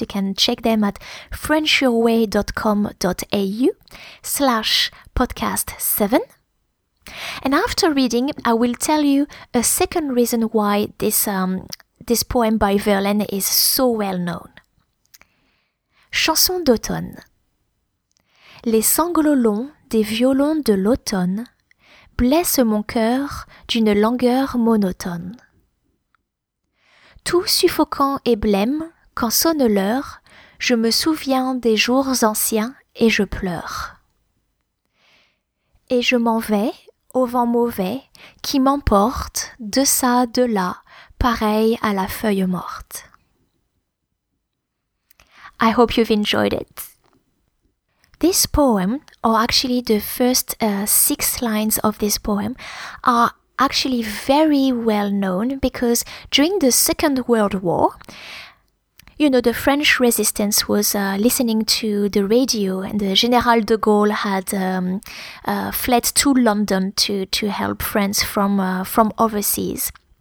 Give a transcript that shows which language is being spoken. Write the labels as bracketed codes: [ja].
[en] You can check them at frenchyourway.com.au/podcast7. And after reading, I will tell you a second reason why this poem by Verlaine is so well known. [fr] Chanson d'automne. Les sanglots longs des violons de l'automne blesse mon cœur d'une langueur monotone. Tout suffocant et blême, quand sonne l'heure, je me souviens des jours anciens et je pleure. Et je m'en vais au vent mauvais qui m'emporte de ça, de là, pareil à la feuille morte. [en] I hope you've enjoyed it. This poem, or actually the first six lines of this poem, are actually very well known because during the Second World War, you know, the French resistance was listening to the radio, and the General de Gaulle had fled to London to help France from overseas.